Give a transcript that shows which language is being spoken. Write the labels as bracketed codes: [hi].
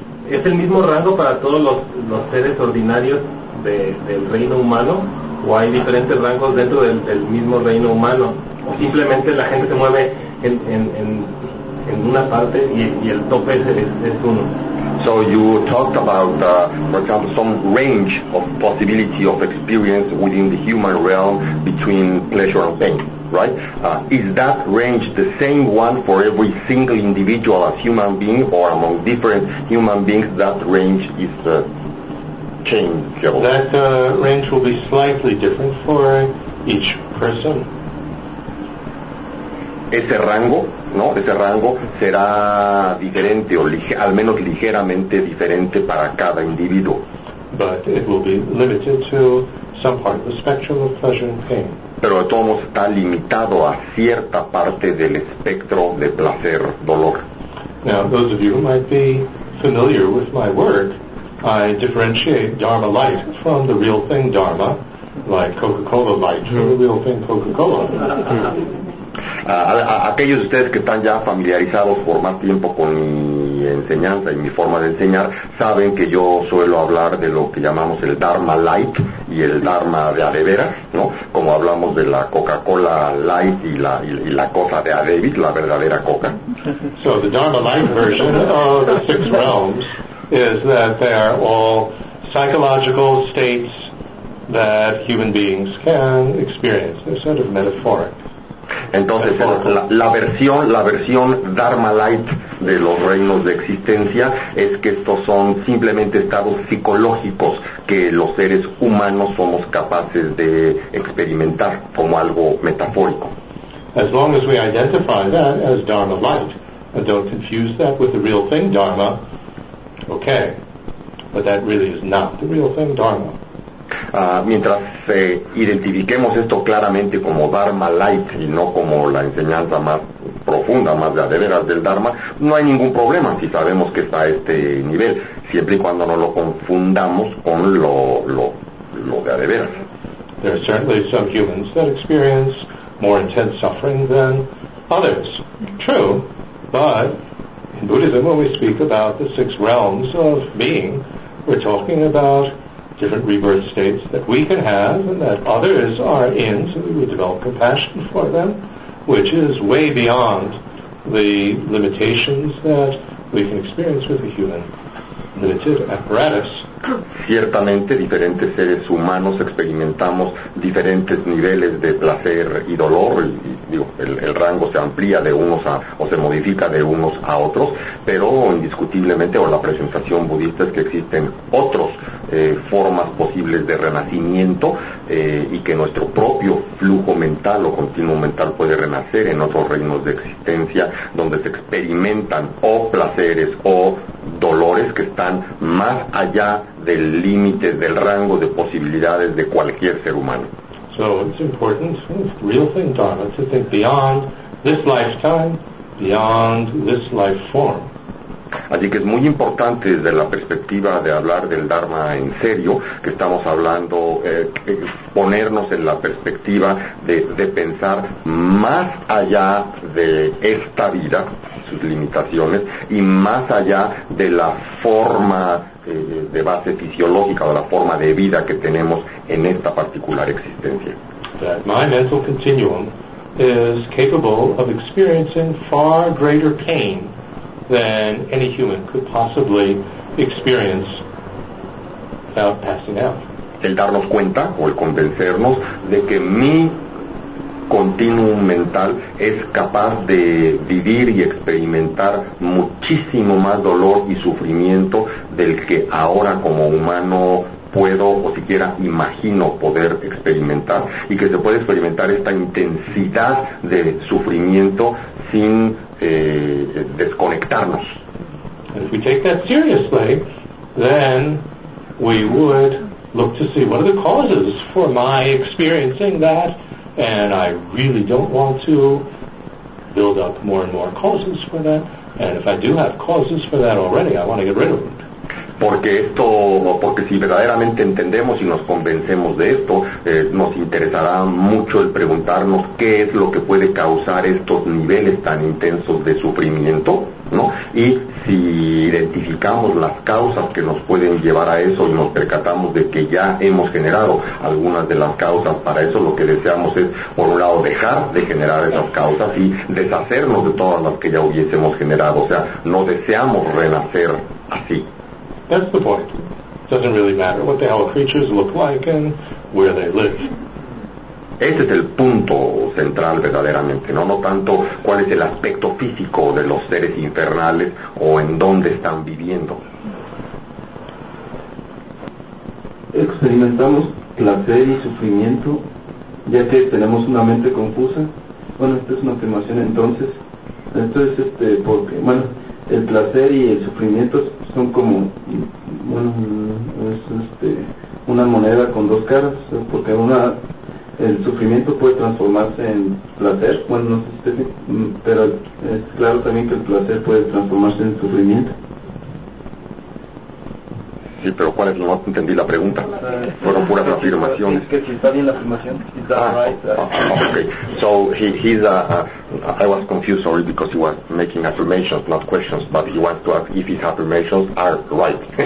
[es] ¿Es el mismo rango para todos los seres ordinarios del reino humano? ¿O hay diferentes rangos dentro del mismo reino humano? ¿O simplemente la gente se mueve en una parte y el tope es uno? [en] So you talked about, for example, some range of possibility of experience within the human realm between pleasure and pain, right? Is that range the same one for every single individual as human being, or among different human beings that range is changeable? That range will be slightly different for each person. [es] Ese rango, ¿no? Ese rango será diferente o al menos ligeramente diferente para cada individuo. [en] But it will be limited to some part of the spectrum of pleasure and pain. [es] Pero de todo está limitado a cierta parte del espectro de placer dolor. [en] Now, those of you who might be familiar with my work, I differentiate Dharma light from the real thing Dharma, like Coca-Cola light from the real thing Coca-Cola. [es] Aquellos de ustedes que están ya familiarizados por más tiempo con mi enseñanza y mi forma de enseñar saben que yo suelo hablar de lo que llamamos el Dharma Light y el Dharma de adeveras, ¿no? Como hablamos de la Coca-Cola Light y la cosa de Adebit, la verdadera Coca. [en] So the Dharma Light version of the six realms is that they are all psychological states that human beings can experience. They're sort of metaphoric. [es] Entonces, la versión Dharma Light de los reinos de existencia es que estos son simplemente estados psicológicos que los seres humanos somos capaces de experimentar como algo metafórico. [en] As long as we identify that as Dharma Light, and don't confuse that with the real thing Dharma, okay, but that really is not the real thing Dharma. [es] Mientras identifiquemos esto claramente como Dharma Light y no como la enseñanza más profunda, más de adeveras del Dharma, no hay ningún problema si sabemos que está a este nivel, siempre y cuando no lo confundamos con lo de adeveras. [en] There are certainly some humans that experience more intense suffering than others. True, but in Buddhism when we speak about the six realms of being, we're talking about different rebirth states that we can have and that others are in, so we develop compassion for them, which is way beyond the limitations that we can experience with a human limited apparatus. [es] Ciertamente, diferentes seres humanos experimentamos diferentes niveles de placer y dolor, el rango se amplía de unos a, o se modifica de unos a otros, pero indiscutiblemente, o la presentación budista es que existen otros formas posibles de renacimiento y que nuestro propio flujo mental o continuo mental puede renacer en otros reinos de existencia donde se experimentan o placeres o dolores que están más allá del límite, del rango de posibilidades de cualquier ser humano. [en] So it's important, it's real thing, Dharma, to think beyond this lifetime, beyond this life form. [es] Así que es muy importante desde la perspectiva de hablar del Dharma en serio, que estamos hablando, ponernos en la perspectiva de pensar más allá de esta vida, sus limitaciones, y más allá de la forma de base fisiológica, de la forma de vida que tenemos en esta particular existencia. [en] That my mental continuum is capable of experiencing far greater pain than any human could possibly experience without passing out. [es] El darnos cuenta o el convencernos de que mi continuum mental es capaz de vivir y experimentar muchísimo más dolor y sufrimiento del que ahora como humano puedo o siquiera imagino poder experimentar, y que se puede experimentar esta intensidad de sufrimiento sin desconectarnos. [en] And if we take that seriously, then we would look to see what are the causes for my experiencing that, and I really don't want to build up more and more causes for that, and if I do have causes for that already, I want to get rid of them. [es] Porque si verdaderamente entendemos y nos convencemos de esto, nos interesará mucho el preguntarnos qué es lo que puede causar estos niveles tan intensos de sufrimiento, ¿no? Y si identificamos las causas que nos pueden llevar a eso y nos percatamos de que ya hemos generado algunas de las causas para eso, lo que deseamos es, por un lado, dejar de generar esas causas y deshacernos de todas las que ya hubiésemos generado. O sea, no deseamos renacer así. [en] That's the point. It doesn't really matter what the hell creatures look like and where they live. [es] Ese es el punto central verdaderamente, ¿no? No tanto cuál es el aspecto físico de los seres infernales o en dónde están viviendo. ¿Experimentamos placer y sufrimiento ya que tenemos una mente confusa? Bueno, esta es una afirmación entonces. Entonces, porque, bueno, el placer y el sufrimiento son como, bueno, es una moneda con dos caras, porque una, el sufrimiento puede transformarse en placer, bueno, no sé si usted, pero es claro también que el placer puede transformarse en sufrimiento. Sí, pero ¿cuál es? No entendí la pregunta. Fueron puras afirmaciones. Es que si está bien la afirmación, está [en] right. Okay. So he's I was confused, sorry, because he was making affirmations, not questions, but he wants to ask if his affirmations are right.